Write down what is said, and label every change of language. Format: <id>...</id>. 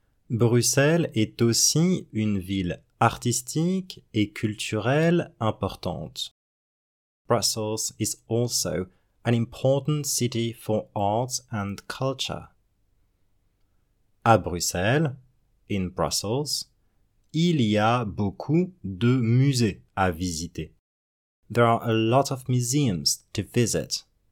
<fr>Bruxelles est aussi une ville artistique et culturelle importante.</fr> <en>Brussels is also an important city for arts and culture.</en> <fr>À Bruxelles,</fr> <en>in Brussels,</en> <fr>il y a beaucoup de musées à visiter.</fr> <en>There are a lot of museums to visit.</en>